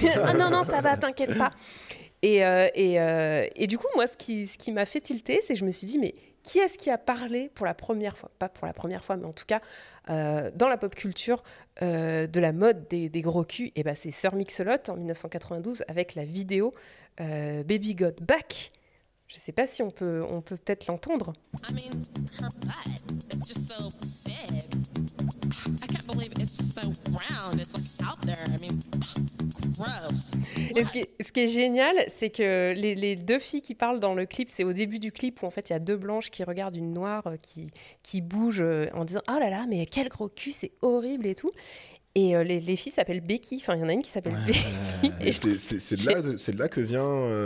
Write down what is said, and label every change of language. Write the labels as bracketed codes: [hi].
[fr] Ah, non ça va, t'inquiète pas. Et du coup, moi, ce qui m'a fait tilter, c'est que je me suis dit, mais qui est-ce qui a parlé pour la première fois, pas pour la première fois, mais en tout cas, dans la pop culture, de la mode des gros culs? Et bien, c'est Sir Mix-a-Lot en 1992 avec la vidéo Baby Got Back. Je ne sais pas si on peut peut-être l'entendre. [en] I mean, her butt, it's just so big. I can't believe it's just so round, it's like out there, I mean, gross. [fr] Ce qui est génial, c'est que les deux filles qui parlent dans le clip, c'est au début du clip où en fait il y a deux blanches qui regardent une noire qui bouge en disant « Oh là là, mais quel gros cul, c'est horrible et tout ». Et les filles s'appellent Becky. Enfin, il y en a une qui s'appelle Becky. C'est de là que vient...